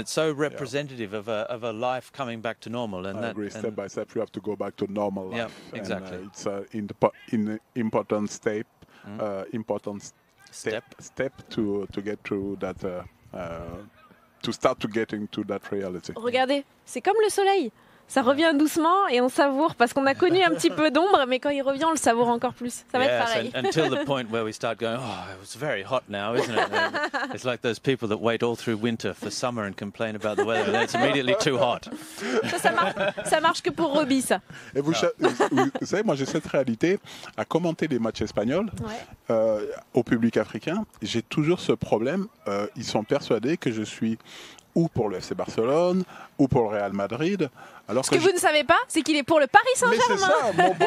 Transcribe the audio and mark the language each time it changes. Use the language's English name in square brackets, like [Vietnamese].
[English] It's so representative of a life coming back to normal. And I agree. Step by step, you have to go back to normal life. Yeah, exactly. And, it's an important step to get through that... to start to getting to that reality. [French] Regardez, c'est comme le soleil. Ça revient doucement et on savoure parce qu'on a connu un petit peu d'ombre, mais quand il revient, on le savoure encore plus. Ça va être pareil. [English] Yes, until the point where we start going, oh, it's very hot now, isn't it? And it's like those people that wait all through winter for summer and complain about the weather, and it's immediately too hot. [French] Ça marche que pour Roby, ça. Et vous savez, moi j'ai cette réalité à commenter des matchs espagnols au public africain. J'ai toujours ce problème. Ils sont persuadés que je suis ou pour le FC Barcelone, ou pour le Real Madrid. Alors que vous ne savez pas, c'est qu'il est pour le Paris Saint-Germain.